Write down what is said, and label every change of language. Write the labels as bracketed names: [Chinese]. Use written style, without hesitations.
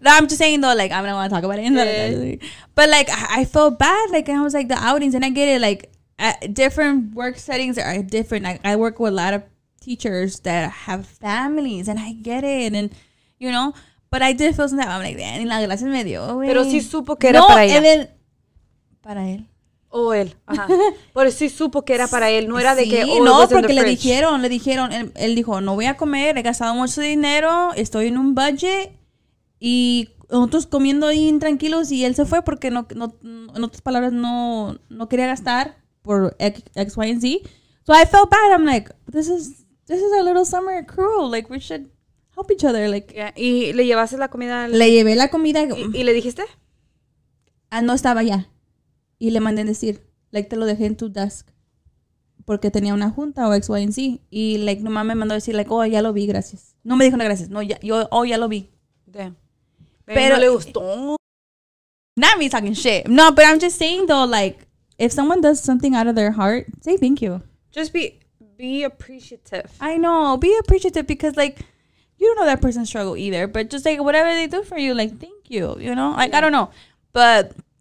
[English] No, I'm just saying, though, like, I don't want to talk about it. But like, I felt bad. Like, I was like, the outings, and I get it. Like, at different work settings are different. Like, I work with a lot of teachers that have families, and I get it. And you know, but I did feel something. I'm like, man, [Spanish] la gracia me dio. Pero si supo que era para ella. [English] And then. [Spanish] Para él. Oh, él. Ajá. Pero sí supo que era para él. No era sí, de que... Sí, no, porque le dijeron. Él dijo, no voy a comer. He gastado mucho dinero. Estoy en un budget. Y nosotros comiendo ahí intranquilos. Y él se fue porque, en otras palabras, no quería gastar por X, Y, and Z. [English] So I felt bad. I'm like, this is our little summer crew. Like, we should help each other. Like, [Spanish] yeah. ¿Y le llevaste la comida? Le llevé la comida. ¿Y le dijiste? No estaba ya. Y le mandé decir, like, te lo dejé en tu desk. Porque tenía una junta o X, Y, and Z. Y, like, nomás me mandó decir, like, oh, ya lo vi, gracias. No me dijo una gracias. No, ya, yo, oh, ya lo vi. Pero no le gustó. [English] Not me talking shit. No, but I'm just saying, though, like, if someone does something out of their heart, say thank you. Just be appreciative. I know. Be appreciative because, like, you don't know that person's struggle either. But just, like, whatever they do for you, like, thank you, you know? Like, yeah. I don't know. But...